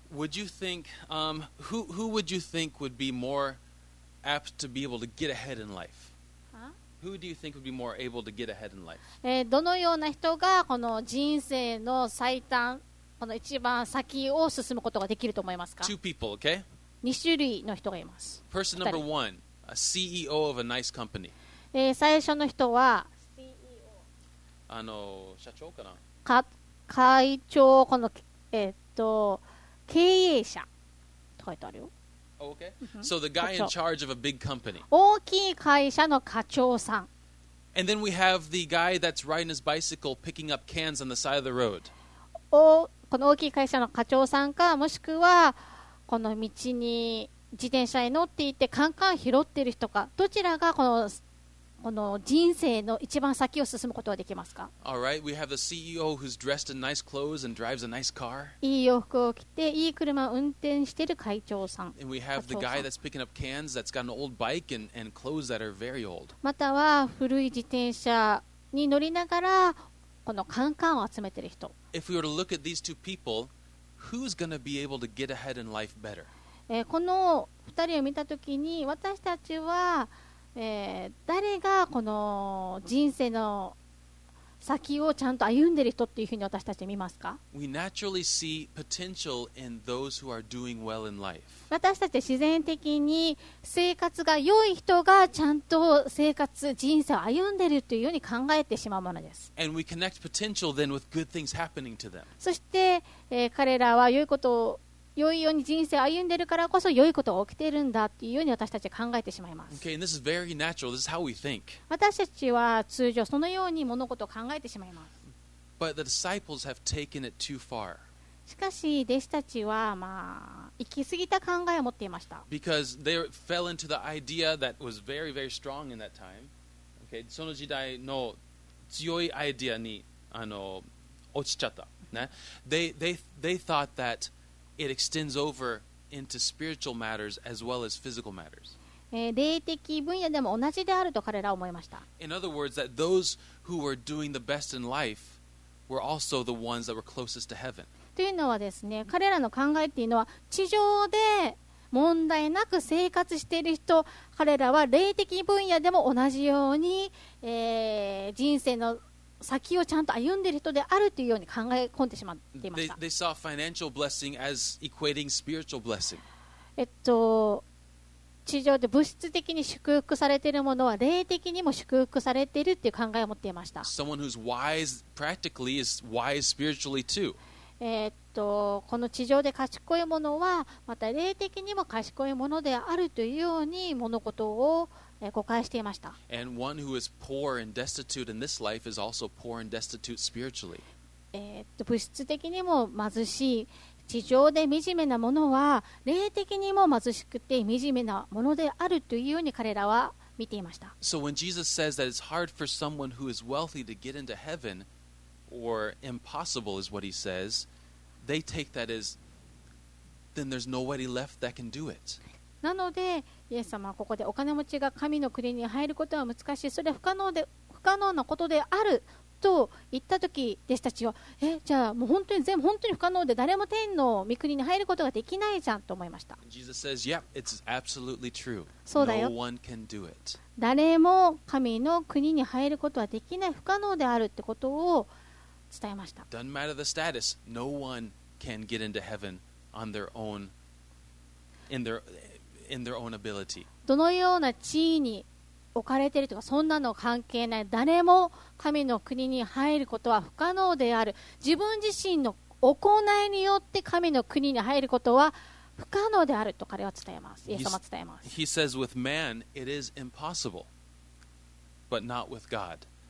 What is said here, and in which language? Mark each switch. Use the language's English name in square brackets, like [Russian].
[English] Would you think who would you think would be more apt to be able to get ahead in life? Huh? Who do you think would be more able to get ahead in life? [Japanese] どのような人がこの人生の最短この一番先を進むことができると思いますか? [English] Two people, okay? [Japanese] 2種類の人がいます。 [English] Person number one, a CEO of a nice company. [Japanese] 最初の人は CEO 社長かな? か会長、この、経営者と書いてあるよ。 [English] Oh, okay. So the guy in charge of a big company. [Japanese] 大きい会社の課長さん。 [English] And then we have the guy that's riding his bicycle picking up cans on the side of the road. [Japanese] この大きい会社の課長さんか、もしくはこの道に自転車に乗っていてカンカン拾ってる人か、どちらがこの人生の一番先を進むことはできますか。 [English] All right, we have the CEO who's dressed in nice clothes and drives a nice car. [Japanese] いい洋服を着ていい車を運転してる会長さん。 [English] And we have the guy that's picking up cans that's got an old bike and clothes that are very old. [Japanese] または古い自転車に乗りながらこのカンカンを集めてる人。 [English] If we were to look at these two people, who's going to be able to get ahead in life better? [Japanese] この二人を見たときに私たちは誰がこの人生の先をちゃんと歩んでる人っていうふうに私たち見ますか。 [English] We naturally see potential in those who are doing well in life. [Japanese] 私たち自然的に生活が良い人がちゃんと生活、人生を歩んでるというように考えてしまうものです。 [English] And we connect potential then with good things happening to them. [Japanese] そして、彼らは良いことを良いように人生を歩んでるからこそ良いことが起きているんだというように私たちは考えてしまいます。 [English] Okay, and this is very natural. This is how we think. [Japanese] 私たちは通常そのように物事を考えてしまいます。 [English] But the disciples have taken it too far. [Japanese] しかし弟子たちは行き過ぎた考えを持っていました。 [English] Because they fell into the idea that was very, very strong in that time. [Japanese] Okay, その時代の強いアイデアに落ちちゃった。 [English] ね、they thought thatIt extends over into spiritual matters as well as physical matters. [Japanese] 霊的分野でも同じであると彼らは思いました。 [English] In other words, that those who were doing the best in life were also the ones that were closest to heaven. [Japanese] というのはですね、彼らの考えっていうのは地上で問題なく生活している人、彼らは霊的分野でも同じように、人生の先をちゃんと歩んでる人であるというように考え込んでしまっていました。 [English] They saw financial blessing as equating spiritual blessing. [Japanese] 地上で物質的に祝福されているものは霊的にも祝福されているという考えを持っていました。 [English] Someone who's wise practically is wise spiritually too. [Japanese] この地上で賢いものはまた霊的にも賢いものであるというように物事を誤解していました。 [English] And one who is poor and destitute in this life is also poor and destitute spiritually. [Japanese] 物質的にも貧しい地上で惨めなものは霊的にも貧しくて惨めなものであるというように彼らは見ていました。 [English] So when Jesus says that it's hard for someone who is wealthy to get into heaven or impossible is what he says, they take that as then there's nobody left that can do it. [Japanese] なのでイエス様はここでお金持ちが神の国に入ることは難しい、それは不可能なことであると言ったとき、弟子たちはじゃあもう本当に全部本当に不可能で誰も天の御国に入ることができないじゃんと思いました。 [English] Jesus says, yep, it's absolutely true. [Japanese] そうだよ。 [English] No one can do it. [Japanese] 誰も神の国に入ることはできない、不可能であるってことを伝えました。 [English] Doesn't matter the status. No one can get into heaven on their own, in their own ability. [Japanese] どのような地位に置かれているとかそんなの関係ない。誰も神の国に入ることは不可能である。自分自身の行いによって神の国に入ることは不可能であると彼は伝えます。イエス様は伝えます。 [English] He says with man it is impossible but not with God.